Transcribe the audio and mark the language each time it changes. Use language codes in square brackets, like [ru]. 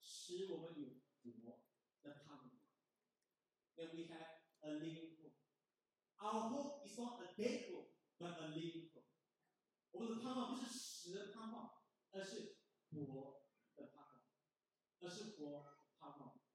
[zh] 在彼得前书第一章第三节就说了，借着耶稣基督从死人中复活，重生了我们，使我们有活的盼望。 [en] And we have a living hope. Our hope is not a dead hope, but a living hope. [zh] 我们的盼望不是死的盼望，而是活的盼望，而是活的盼望.